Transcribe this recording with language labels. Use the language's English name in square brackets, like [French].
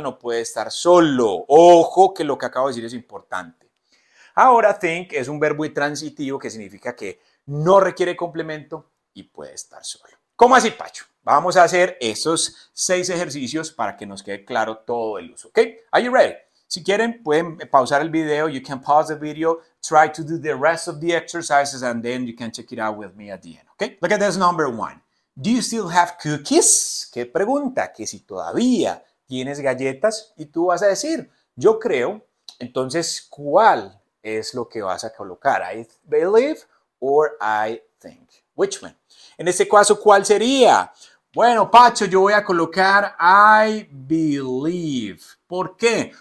[Spanish] No puede estar solo. Ojo que lo que acabo de decir es importante. Ahora, think es un verbo intransitivo que significa que no requiere complemento y puede estar solo. ¿Cómo así, Pacho? Vamos a hacer estos 6 ejercicios para que nos quede claro todo el uso. ¿Ok? [English] Are you ready? [Spanish] Si quieren, pueden pausar el video. [English] You can pause the video. Try to do the rest of the exercises and then you can check it out with me at the end. Okay? Look at this number one. Do you still have cookies? [Spanish] ¿Qué pregunta? Que si todavía tienes galletas y tú vas a decir, yo creo. Entonces, ¿cuál es lo que vas a colocar? [English] I believe or I think. Which one? [Spanish] En este caso, ¿cuál sería? Bueno, Pacho, yo voy a colocar [English] I believe. [Spanish] ¿Por qué?